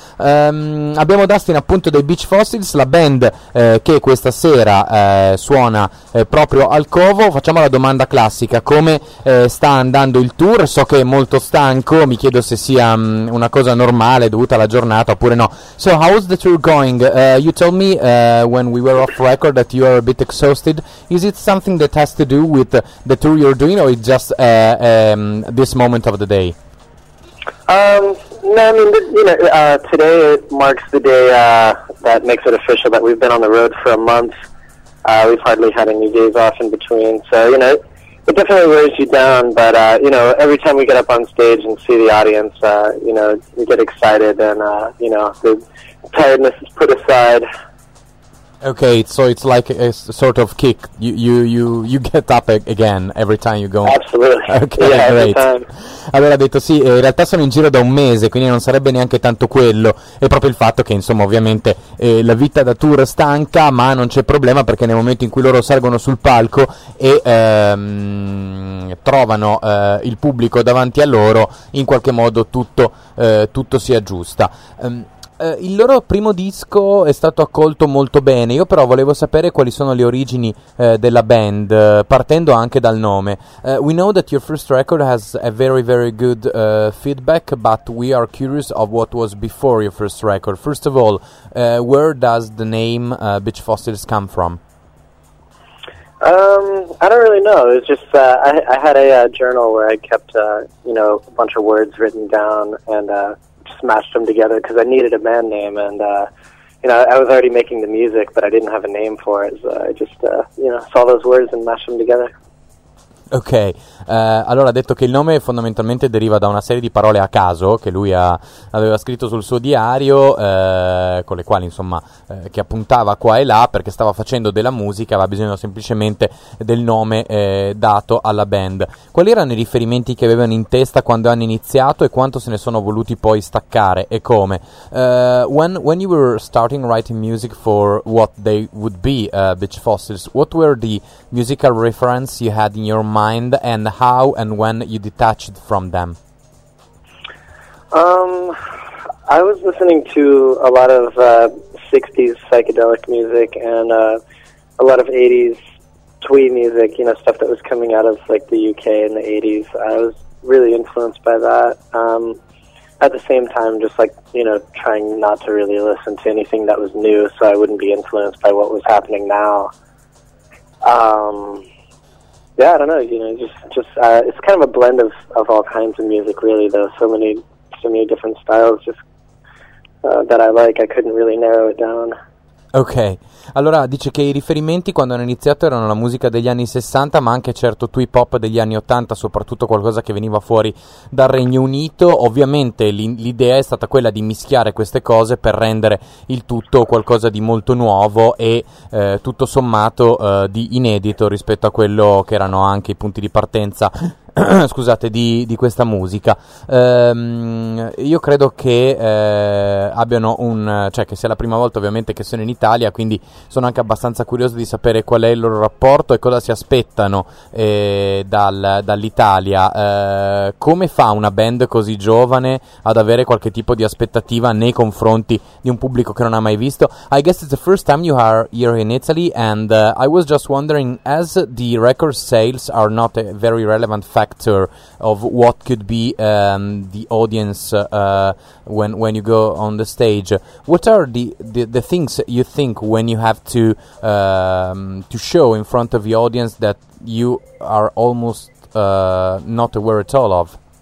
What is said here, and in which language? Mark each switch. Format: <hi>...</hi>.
<it>Abbiamo Dustin appunto dei Beach Fossils, la band che questa sera suona proprio al Covo. Facciamo la domanda classica: come sta andando il tour? So che è molto stanco, mi chiedo se sia una cosa normale dovuta alla giornata oppure no.</it> <en>So how's the tour going? You told me when we were off record that you are a bit exhausted. Is it something that has to do with the tour you're doing, or it's just this moment of the day? No, I mean, you know, today it marks the day that makes it official that we've been on the road for a month. We've hardly had any days off in between, so, you know, it definitely wears you down, but, you know, every time we get up on stage and see the audience, you know, we get excited and, you know, the tiredness is put aside. Okay, so it's like a sort of kick. You get up again every time you go. Absolutely. Okay, yeah, great. Every time.</en> <it>Allora ha detto sì, in realtà sono in giro da un mese, quindi non sarebbe neanche tanto quello. È proprio il fatto che, insomma, ovviamente la vita da tour stanca, ma non c'è problema perché nel momento in cui loro salgono sul palco e trovano il pubblico davanti a loro, in qualche modo tutto si aggiusta. Il loro primo disco è stato accolto molto bene, io però volevo sapere quali sono le origini della band, partendo anche dal nome.</it> <en>We know that your first record has a very, very good feedback, but we are curious of what was before your first record. First of all, where does the name Beach Fossils come from? I don't really know. It's just I had a journal where I kept you know, a bunch of words written down and smashed them together because I needed a band name, and you know, I was already making the music, but I didn't have a name for it, so I just you know, saw those words and mashed them together.</en> <it>Ok, allora ha detto che il nome fondamentalmente deriva da una serie di parole a caso che lui aveva scritto sul suo diario, con le quali, insomma, che appuntava qua e là perché stava facendo della musica, aveva bisogno semplicemente del nome dato alla band. Quali erano i riferimenti che avevano in testa quando hanno iniziato e quanto se ne sono voluti poi staccare e come?</it> <en>When you were starting writing music for what they would be, Beach Fossils, what were the musical reference you had in your mind, and how and when you detached from them? I was listening to a lot of 60s psychedelic music and a lot of 80s twee music, you know, stuff that was coming out of like the UK in the 80s. I was really influenced by that. At the same time, just like, you know, trying not to really listen to anything that was new so I wouldn't be influenced by what was happening now. Yeah, I don't know, you know, it's kind of a blend of all kinds of music, really, though, so many different styles, just, that I like, I couldn't really narrow it down.</en> <it>Ok, allora dice che i riferimenti quando hanno iniziato erano la musica degli anni 60, ma anche certo twee pop degli anni 80, soprattutto qualcosa che veniva fuori dal Regno Unito. Ovviamente l'idea è stata quella di mischiare queste cose per rendere il tutto qualcosa di molto nuovo e tutto sommato di inedito rispetto a quello che erano anche i punti di partenza scusate, di questa musica. Io credo che abbiano un, cioè che sia la prima volta ovviamente che sono in Italia, quindi sono anche abbastanza curioso di sapere qual è il loro rapporto e cosa si aspettano dall'Italia. Come fa una band così giovane ad avere qualche tipo di aspettativa nei confronti di un pubblico che non ha mai visto?</it> <en>I guess it's the first time you are here in Italy, and I was just wondering, as the record sales are not a very relevant factor of what could be the audience when you go on the stage, what are the things you think when you have to show in front of the audience that you are almost not aware at all of?</en>